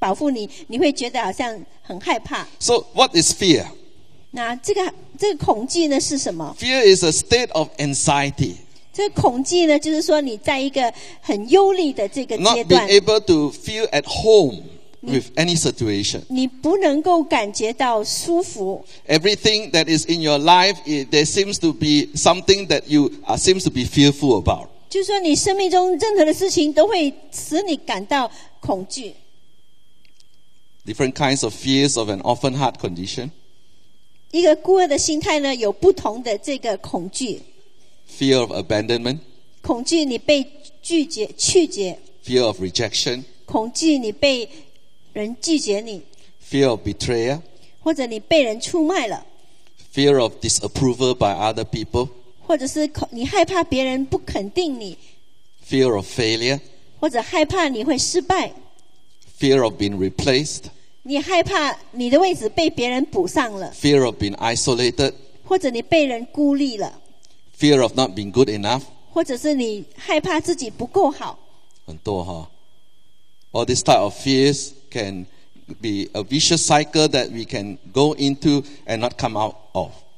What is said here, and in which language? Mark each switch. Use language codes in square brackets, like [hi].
[zh] 那如果父亲是以那种公安的那种心态来保护你，你会觉得好像很害怕。 [en] So what is fear? [zh] 那这个恐惧呢是什么？ [en] Fear is a state of anxiety. [zh] 这恐惧呢，就是说你在一个很忧虑的这个阶段， [en] not being able to feel at home with any situation. [zh] 你不能够感觉到舒服。 [en] Everything that is in your life, there seems to be something that you seems to be fearful about. [zh] 就是说你生命中任何的事情都会使你感到恐惧。 [en] Different kinds of fears of an orphan heart condition. [zh] 一个孤儿的心态呢，有不同的这个恐惧。 [en] Fear of abandonment. [zh] 恐惧你被拒绝。 [en] Fear of rejection. [zh] 恐惧你被人拒绝你。 [en] Fear of betrayal. [zh] 或者你被人出卖了。 [en] Fear of disapproval by other people. [zh] 或者是你害怕别人不肯定你。 [en] Fear of failure. [zh] 或者害怕你会失败。 [en] Fear of being replaced. [zh] 你害怕你的位置被别人补上了。 [en] Fear of being isolated. [zh] 或者你被人孤立了。 [en] Fear of not being good enough. [zh] 或者是你害怕自己不够好。很多哈。 [en] All these type of fears can be a vicious cycle that we can go into and not come out of.